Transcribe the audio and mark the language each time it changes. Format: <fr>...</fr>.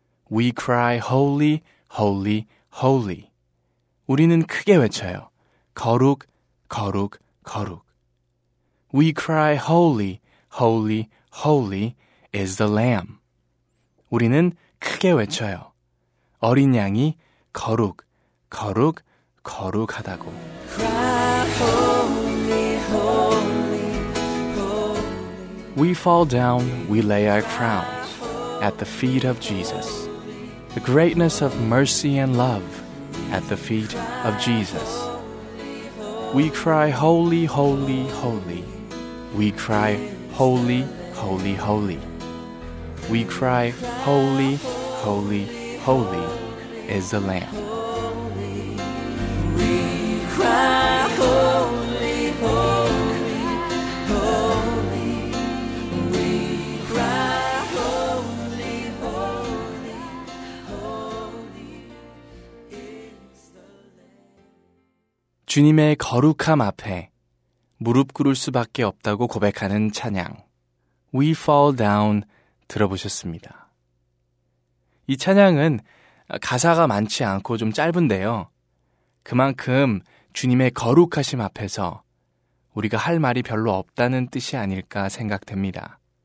<en>We cry holy, holy, holy.</en> <ko>우리는 크게 외쳐요. 거룩, 거룩, 거룩.</ko> <en>We cry holy, holy, holy is the lamb.</en> <ko>우리는 크게 외쳐요. 어린 양이 거룩, 거룩, 거룩하다고.</ko> <en>We fall down, we lay our crowns at the feet of Jesus. The greatness of mercy and love at the feet of Jesus. We cry holy, holy, holy. We cry holy, holy, holy. We cry holy, holy, holy is the Lamb. We cry holy, holy, holy. We cry holy, holy, holy is the Lamb.</en> <ko>주님의 거룩함 앞에 무릎 꿇을 수밖에 없다고 고백하는 찬양 We Fall Down 들어보셨습니다. 이 찬양은 가사가 많지 않고 좀 짧은데요. 그만큼 주님의 거룩하심 앞에서 우리가 할 말이 별로 없다는 뜻이 아닐까 생각됩니다.</ko>